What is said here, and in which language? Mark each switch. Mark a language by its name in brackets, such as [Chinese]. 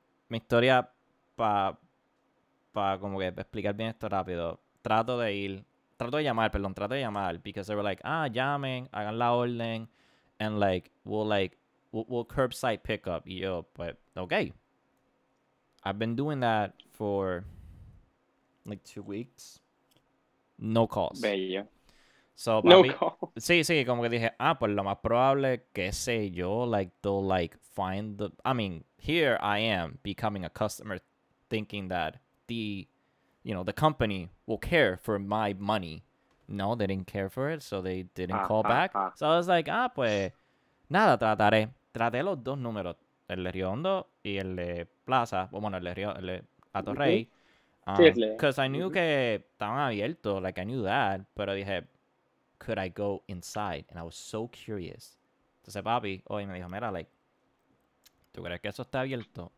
[Spanish] Mi historia, para como que explicar bien esto rápido. Trato de llamar, [English] because they were like, [Spanish] llamen, hagan la orden, [English] and like, we'll curbside pick up, yo, but, okay. I've been doing that for, like, 2 weeks. No calls. Bello. So, no calls. [Spanish] Sí, sí, como que dije, pues lo más probable que sé yo, [English] like, they'll, like, find the, I mean, here I am becoming a customer thinking that the, you know, the company will care for my money. No, they didn't care for it, so they didn't call back. So I was like, [Spanish] pues, nada, trataré. Traté los dos números, el de Río Hondo y el de Plaza. Bueno, el de Río, el de Atorrey. [English] Because I knew [Spanish] que estaban abiertos, [English] like, I knew that. [Spanish] Pero dije, [English] could I go inside? And I was so curious. [Spanish] Entonces, papi, hoy me dijo, mira, like, ¿tú crees que eso está abierto?